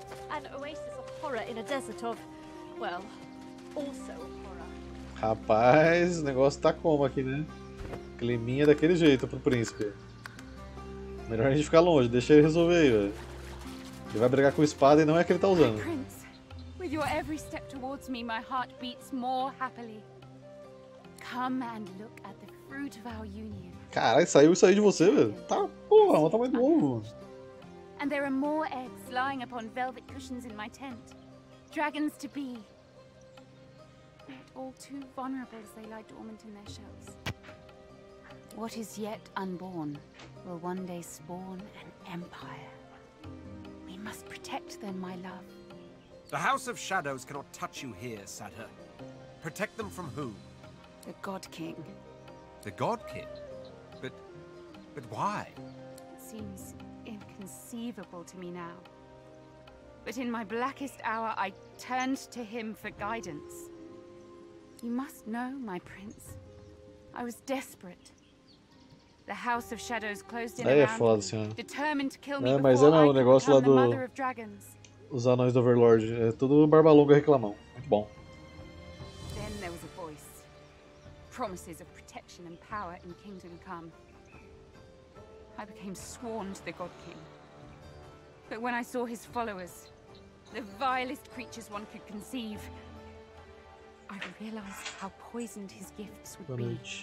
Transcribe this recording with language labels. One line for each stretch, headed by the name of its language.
English: An oasis of horror in a desert of... well...
Portuguese: Rapaz, o negócio tá como aqui, né? Climinha daquele jeito pro príncipe. Melhor a gente ficar longe, deixa ele resolver aí, velho. Ele vai brigar com a espada e não é a que ele tá usando.
English: With your every step towards me, my heart beats more happily. Come and look at the fruit of our union.
Portuguese: Caralho, saiu isso aí de você, velho. Tá, porra, mas tá mais novo.
English: And there are more eggs lying upon velvet cushions in my tent. Dragons to be. All too vulnerable as they lie dormant in their shells. What is yet unborn will one day spawn an empire. We must protect them, my love. The House of Shadows cannot touch you here, Satyr. Protect them from whom? The God King. The God King? But why? It seems inconceivable to me now. But in my blackest hour, I turned to him for guidance. You must know, my prince, I was desperate. The House of Shadows closed in
Portuguese: aí é foda,
English: determined to kill me.
Portuguese: Mas é não, o negócio lá do os anões do Overlord, é tudo barba longa reclamão. Muito bom.
English: Then there was a voice. Promises of protection and power in kingdom come. I became sworn to the God King. But when I saw his followers, the vilest creatures one could conceive, I realized how poisoned his gifts would be.